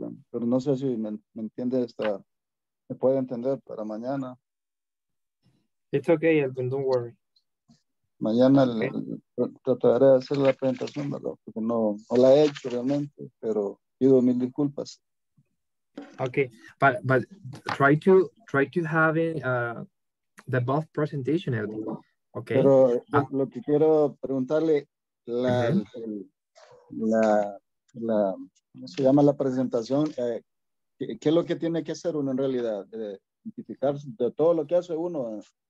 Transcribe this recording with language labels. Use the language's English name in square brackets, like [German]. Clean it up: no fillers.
[Spanish] Pero no sé si me entiende esta, me puede entender para mañana. [English] It's okay, Elvin, don't worry. [Spanish] Mañana trataré de hacer la presentación, ¿verdad? Porque no la he hecho realmente, pero pido mil disculpas. [English] Okay, but try to have the both presentation, Elvin. Okay. [Spanish] Pero lo que quiero preguntarle, la ¿cómo se llama la presentación? ¿Qué es lo que tiene que hacer uno en realidad? ¿Identificar de todo lo que hace uno?